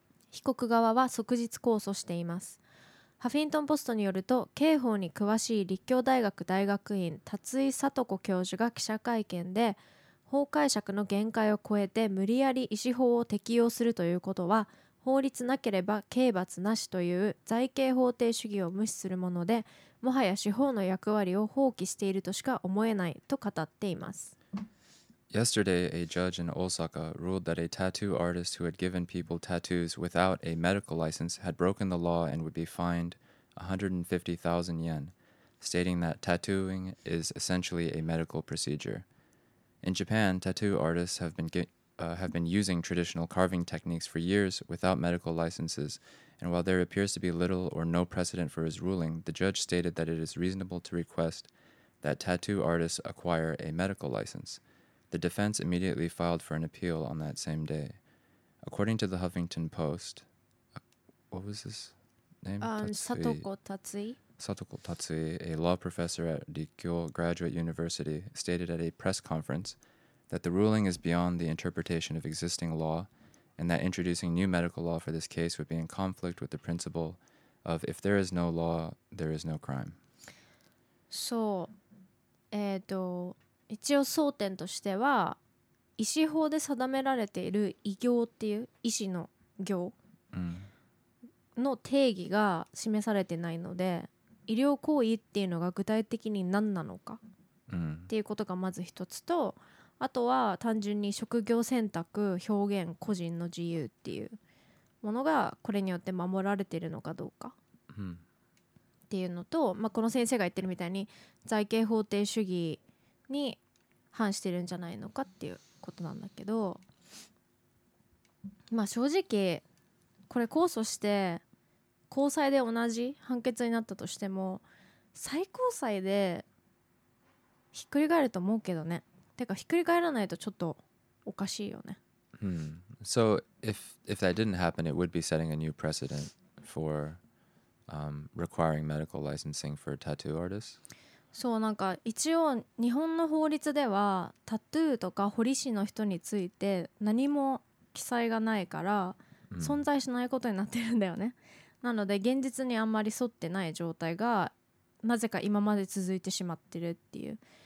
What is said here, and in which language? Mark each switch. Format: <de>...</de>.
<ja>被告側は即日控訴しています。ハフィントンポストによると、刑法に詳しい立教大学大学院辰井さと子教授が記者会見で、法解釈の限界を超えて無理やり医師法を適用するということは法律なければ刑罰なしという罪刑法定主義を無視するもので、もはや司法の役割を放棄しているとしか思えないと語っています。</ja> <en>Yesterday, a judge in Osaka ruled that a tattoo artist who had given people tattoos without a medical license had broken the law and would be fined 150,000 yen, stating that tattooing is essentially a medical procedure. In Japan, tattoo artists have been using traditional carving techniques for years without medical licenses, and while there appears to be little or no precedent for his ruling, the judge stated that it is reasonable to request that tattoo artists acquire a medical license. The defense immediately filed for an appeal on that same day. According to the Huffington Post, what was his name? Satoko Tatsui, a law professor at Rikkyo Graduate University, stated at a press conference that the ruling is beyond the interpretation of existing law and that introducing new medical law for this case would be in conflict with the principle of if there is no law, there is no crime.</en> <ja>そう、一応争点としては、医師法で定められている医業っていう医師の業の定義が示されてないので、医療行為っていうのが具体的に何なのかっていうことがまず一つと、あとは単純に職業選択、表現、個人の自由っていうものがこれによって守られているのかどうかっていうのと、まあ、この先生が言ってるみたいに罪刑法定主義に反してるんじゃないのかっていうことなんだけど、まあ正直これ控訴して高裁で同じ判決になったとしても最高裁でひっくり返ると思うけどね。てかひっくり返らないとちょっとおかしいよね。</ja> <en>So if that didn't happen, it would be setting a new precedent for requiring medical licensing for tattoo artists.</en> <ja>そう、なんか一応日本の法律ではタトゥーとか彫り師の人について何も記載がないから存在しないことになってるんだよね。なので現実にあんまり沿ってない状態がなぜか今まで続いてしまってるっていう。</ja>